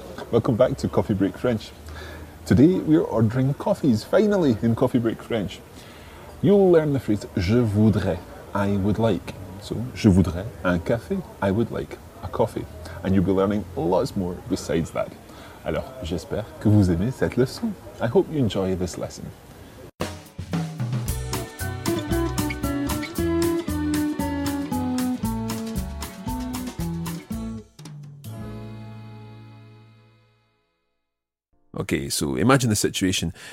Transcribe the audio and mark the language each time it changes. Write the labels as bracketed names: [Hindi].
[English] Welcome back to Coffee Break French. Today we are ordering coffees, finally, in Coffee Break French. You'll learn the phrase je voudrais, I would like. So, [French] je voudrais un café, [English] I would like a coffee. And you'll be learning lots more besides that. [French] Alors, j'espère que vous aimez cette leçon. [English] I hope you enjoy this lesson. Okay, so imagine the situation.